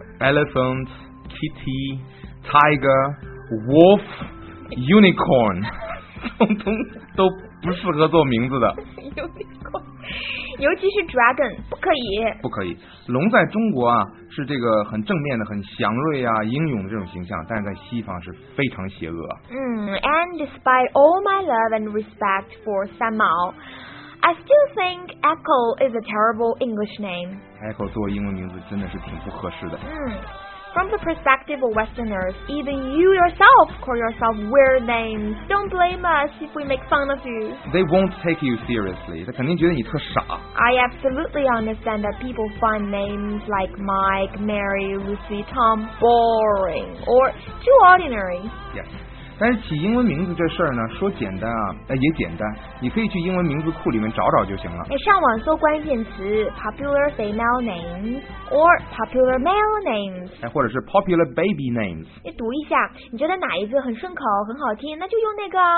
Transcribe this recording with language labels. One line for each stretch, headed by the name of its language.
English: Elephant, kitty, tigerWolf, unicorn，
Chinese: 通通都不适合做名字的。 unicorn， 尤其是 dragon， 不可以。不可以，龙在中国啊是这个很正面的、很祥瑞啊、英勇的这种形象，但是在西方是非常邪恶。
English: And despite all my love and respect for 三毛， I still think Echo is a terrible English name.
Chinese: Echo 作为英文名字真的是挺不合适的。
English: From the perspective of Westerners, even you yourself call yourself weird names. Don't blame us if we make fun of you. They won't take you seriously.
Chinese: 他肯定觉得你特傻。
English: I absolutely understand that people find names like Mike, Mary, Lucy, Tom boring or too ordinary. Yes.
Chinese: 但是起英文名字这事儿呢，说简单啊，也简单。你可以去英文名字库里面找找就行了。上网搜关键词
English: popular female names or popular male names，
Chinese: 或者是
English: popular baby names。
Chinese: 你读一下，你觉得哪一个很顺口、很好听，那就用那个。